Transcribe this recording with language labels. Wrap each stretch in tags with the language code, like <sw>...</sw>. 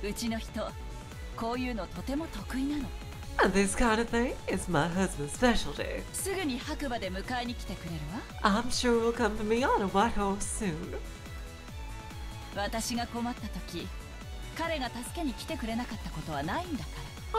<ja>うちの人、こういうのとても得意なの。</ja> <en>This kind of thing is my husband's specialty.</en> <ja>すぐに白馬で迎えに来てくれるわ。</ja> <en>I'm sure he'll come for me on a white horse soon.</en> <ja>私が困った時、彼が助けに来てくれなかったことはないんだから。</ja>